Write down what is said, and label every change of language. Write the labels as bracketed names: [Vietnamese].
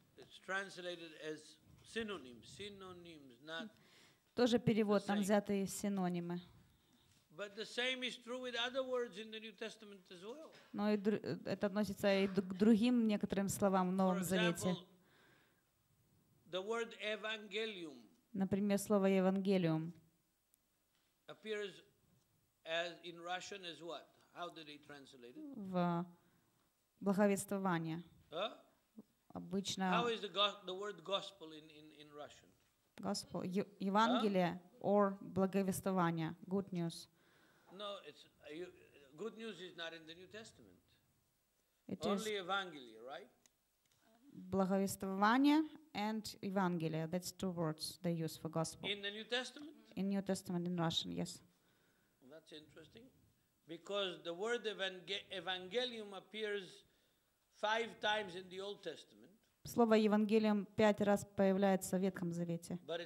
[English] It's translated as synonyms, not. [Russian] Тоже перевод, там взяты синонимы. [English] But the same is true with other words in the New Testament as well. [Russian] Но это относится и к другим некоторым словам в Новом Завете. [English] The word evangelium. [Russian] Например, слово евангелиум. [English] Appears as in Russian as what? How did they translate it? [Russian] В благовествование. Обычно. [English] How is the word gospel in Russian? Gospel, Евангелие, or благовествование, good news. No, it's good news is not in the New Testament. It only is Евангелие, right? [Russian] Благовествование and Евангелие. [English] That's two words they use for gospel. In the New Testament? In New Testament, in Russian, yes. Well, that's interesting, because the word evangelium appears 5 times in the Old Testament. [Russian] Слово «евангелиум» 5 раз появляется в Ветхом Завете.